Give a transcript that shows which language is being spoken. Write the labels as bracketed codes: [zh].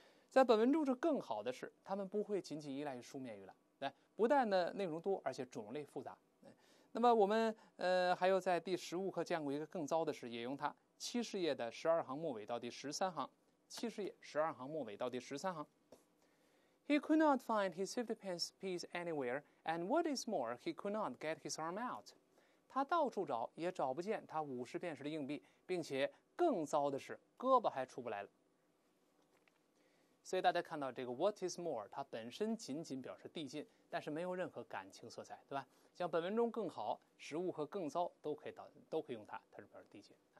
[zh] 在本文中是更好的是，他们不会仅仅依赖于书面语了，来，不但的内容多，而且种类复杂。那么我们还有在第十五课见过一个更糟的事，也用它七十页的十二行末尾到第十三行，七十页十二行末尾到第十三行。 [en] He could not find his 50 pence piece anywhere, and what is more, he could not get his arm out. [zh] 他到处找也找不见他五十便士的硬币，并且更糟的是胳膊还出不来了。所以大家看到这个 [en] what is more， [zh] 它本身仅仅表示递进，但是没有任何感情色彩，对吧？像本文中更好、食物和更糟都可以用它，它是表示递进。